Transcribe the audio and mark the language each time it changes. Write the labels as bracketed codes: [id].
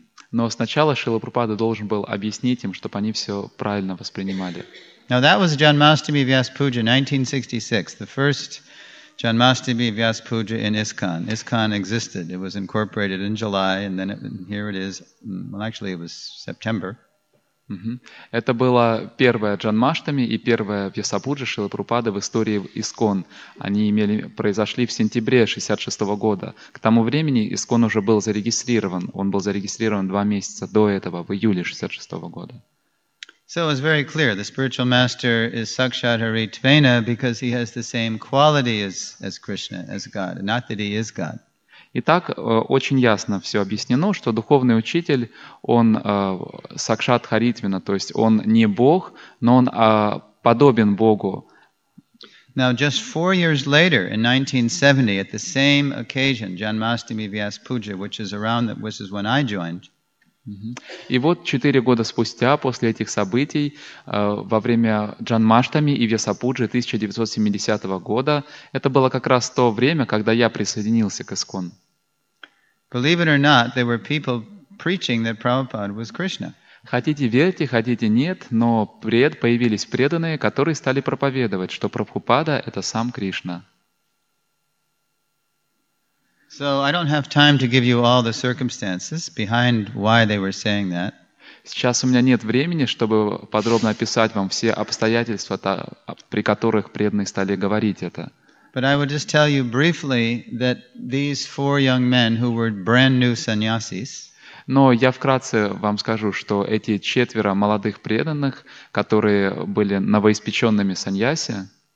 [ru] Но сначала Шрила Прабхупада должен был объяснить им, чтобы они все правильно воспринимали. [en] Now that was Janmashtami Vyas Puja, 1966, the first Janmashtami Vyas Puja in ISKCON. ISKCON existed. It was incorporated in July, and then here it is. Well, actually, it was September. [ru] Это была первая Джанмаштами и первая Вьясапуджа Шрилы Прабхупады в истории ИСКОН. Они произошли в сентябре 1966 года. К тому времени ИСКОН уже был зарегистрирован. Он был зарегистрирован два месяца до этого, в июле 1966 года. [en] So it was very clear. The spiritual master is Sakshat Hari Tvena because he has the same quality as Krishna, as God. Not that he is God. [ru] Итак, очень ясно все объяснено, что духовный учитель, он Сакшат Харитвина, то есть он не Бог, но он подобен Богу. [en] Now, just 4 years later, in 1970, at the same occasion, Janmashtami Vyas Puja, which is when I joined. [ru] И вот 4 года спустя, после этих событий, во время Джанмаштами и Вьясапуджи 1970 года, это было как раз то время, когда я присоединился к ИСКОН. [en] Believe it or not, there were people preaching that Prabhupada was Krishna. [ru] Хотите верьте, хотите нет, но появились преданные, которые стали проповедовать, что Прабхупада — это сам Кришна. [en] So I don't have time to give you all the circumstances behind why they were saying that. [ru] Сейчас у меня нет времени, чтобы подробно описать вам все обстоятельства, при которых преданные стали говорить это. [en] But I would just tell you briefly that these 4 young men who were brand new sannyasis. [ru] Но я вкратце вам скажу, что эти 4 молодых преданных, которые были новоиспеченными саньяси,